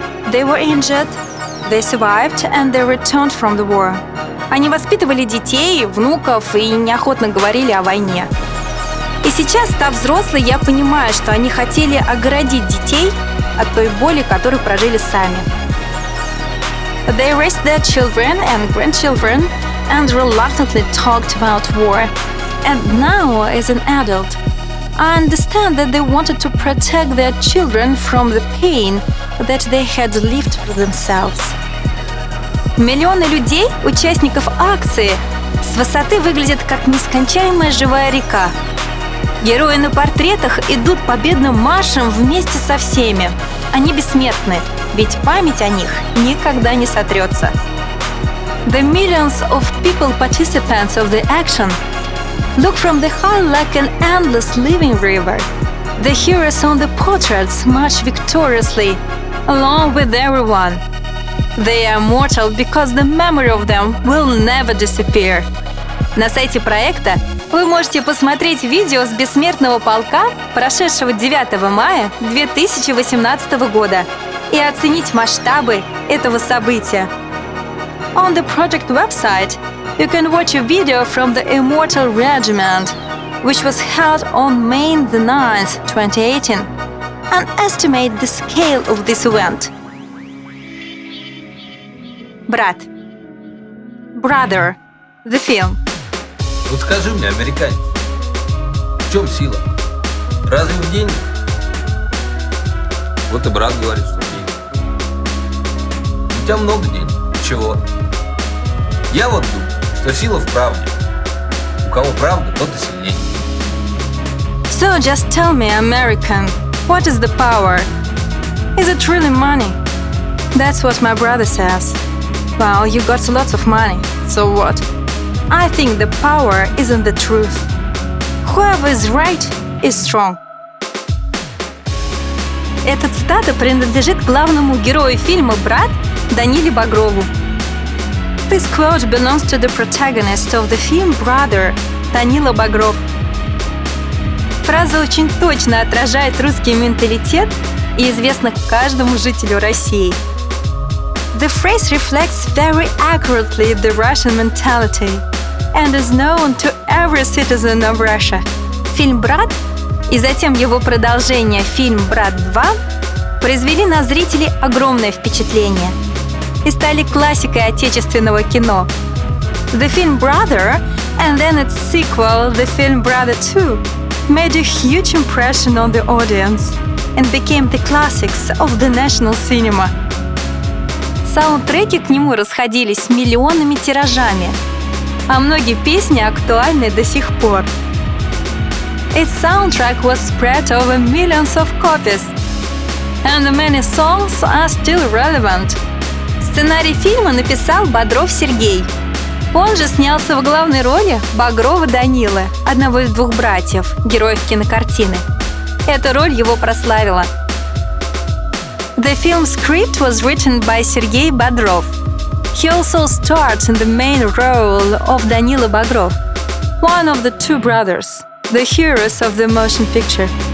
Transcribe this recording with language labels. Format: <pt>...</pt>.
<en>They were injured, they survived, and they returned from the war.</en> <ru>Они воспитывали детей, внуков и неохотно говорили о войне. И сейчас, став взрослой, я понимаю, что они хотели оградить детей от той боли, которую прожили сами.</ru> <en>They raised their children and grandchildren and reluctantly talked about war. And now, as an adult, I understand that they wanted to protect their children from the pain that they had lived for themselves.</en> <ru>Миллионы людей, участников акции, с высоты выглядят как нескончаемая живая река. Герои на портретах идут победным маршем вместе со всеми. Они бессмертны, ведь память о них никогда не сотрется.</ru> <en>The millions of people participants of the action look from the high like an endless living river. The heroes on the portraits march victoriously along with everyone. They are immortal because the memory of them will never disappear.</en> <ru>На сайте проекта вы можете посмотреть видео с бессмертного полка, прошедшего 9 мая 2018 года, и оценить масштабы этого события.</ru> <en>On the project website, you can watch a video from the Immortal Regiment, which was held on May the 9th, 2018, and estimate the scale of this event. Брат. Brother. The film.</en> <ru>Вот скажи мне, американец, в чем сила? Разве в деньгах? Вот и брат говорит, что деньги. У тебя много денег. Чего? Я вот думаю, что сила в правде. У кого правда, тот и сильнее.</ru> <en>So just tell me, American, what is the power? Is it really money? That's what my brother says. Well, you got lots of money, so what? I think the power is in the truth. Whoever is right is strong.</en> <ru>Эта цитата принадлежит главному герою фильма «Брат» Даниле Багрову.</ru> <en>This quote belongs to the protagonist of the film «Brother» Данила Багров.</en> <ru>Фраза очень точно отражает русский менталитет и известна каждому жителю России.</ru> <en>The phrase reflects very accurately the Russian mentality and is known to every citizen of Russia.</en> <ru>Фильм «Брат» и затем его продолжение «Фильм «Брат 2» произвели на зрителей огромное впечатление и стали классикой отечественного кино.</ru> <en>The film «Brother» and then its sequel, the film «Brother 2», made a huge impression on the audience and became the classics of the national cinema.</en> <ru>Саундтреки к нему расходились миллионными тиражами, а многие песни актуальны до сих пор.</ru> <en>Its soundtrack was spread over millions of copies, and many songs are still relevant.</en> <ru>Сценарий фильма написал Бодров Сергей. Он же снялся в главной роли Багрова Данилы, одного из двух братьев, героев кинокартины. Эта роль его прославила.</ru> <en>The film script was written by Sergei Bodrov. He also starred in the main role of Danilo Bodrov, one of the two brothers, the heroes of the motion picture.</en>